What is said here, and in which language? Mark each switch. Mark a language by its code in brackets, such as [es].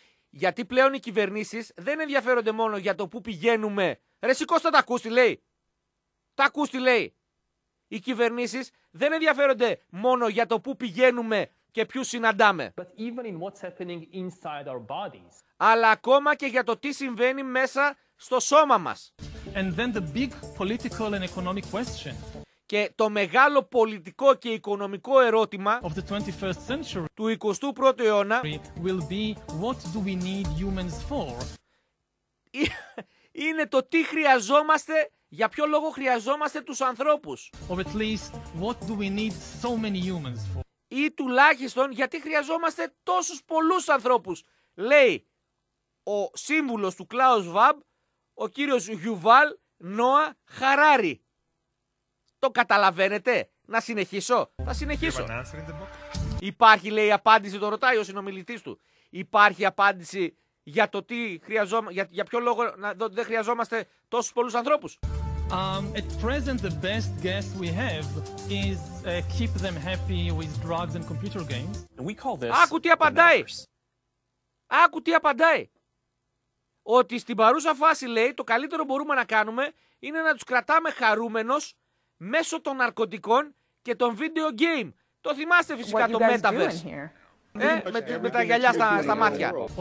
[el] Γιατί πλέον οι κυβερνήσεις δεν ενδιαφέρονται μόνο για το που πηγαίνουμε. Ρε σηκώστε τα ακούστη, λέει. Τα ακούστη, λέει. Οι κυβερνήσεις δεν ενδιαφέρονται μόνο για το που πηγαίνουμε και ποιους συναντάμε. [en] But even in what's happening inside our bodies. [el] Αλλά ακόμα και για το τι συμβαίνει μέσα στο σώμα μας. [en] And then the big political and economic question. [el] Και το μεγάλο πολιτικό και οικονομικό ερώτημα [en] of the 21st century, [el] του 21ου αιώνα [en] will be, what do we need humans for? [el] Είναι το τι χρειαζόμαστε, για ποιο λόγο χρειαζόμαστε τους ανθρώπους. [en] Or at least, what do we need so many humans for? [el] Ή τουλάχιστον γιατί χρειαζόμαστε τόσους πολλούς ανθρώπους. Λέει ο σύμβουλος του Klaus Wab, ο κύριος Yuval Noah Harari. Το καταλαβαίνετε? Να συνεχίσω. Θα συνεχίσω. Υπάρχει, λέει, απάντηση, το ρωτάει ο συνομιλητής του. Υπάρχει απάντηση για το τι χρειαζόμαστε, για ποιο λόγο δεν χρειαζόμαστε τόσους πολλούς ανθρώπους. [en] At present the best guess we have is keep them happy with drugs and computer games. We call this. [el] Άκου τι απαντάει. Άκου τι απαντάει. Ότι στην παρούσα φάση, λέει, το καλύτερο μπορούμε να κάνουμε είναι να τους κρατάμε χαρούμενος μέσω των ναρκωτικών και των video game. Το θυμάστε φυσικά το Metaverse. Με τα γυαλιά στα μάτια.